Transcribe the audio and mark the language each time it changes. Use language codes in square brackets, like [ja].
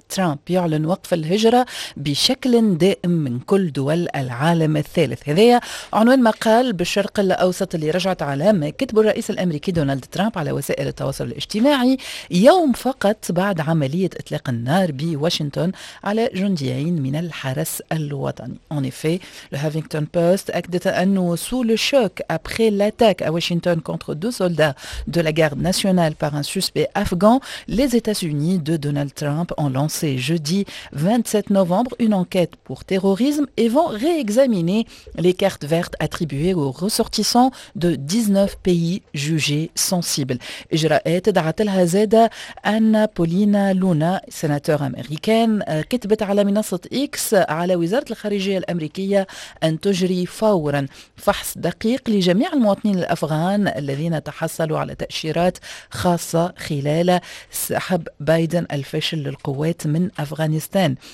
[ar] ترامب يعلن وقف الهجرة بشكل دائم من كل دول العالم الثالث. هذا عنوان مقال بالشرق الأوسط اللي رجعت على ما كتبه الرئيس الأمريكي دونالد ترامب على وسائل التواصل الاجتماعي يوم فقط بعد عملية إطلاق النار بواشنطن على جنديين من الحرس الوطني. [fr] En effet, le Huffington Post [ar] أكدت أنه [fr] sous le choc après l'attaque à Washington contre deux soldats de la garde nationale par un afghan, les États-Unis de Donald Trump ont lancé jeudi 27 novembre une enquête pour terrorisme et vont réexaminer les cartes vertes attribuées aux ressortissants de 19 pays jugés sensibles. [ar] إجراءات دعتلها زادة أن بولينا لونا سناتور أمريكان كتبت على منصة إكس على وزارة الخارجية الأمريكية أن تجري فورا فحص دقيق لجميع المواطنين الأفغان الذين تحصلوا على تأشيرات خاصة خلال سحب بايدن الفشل للقوات من أفغانستان.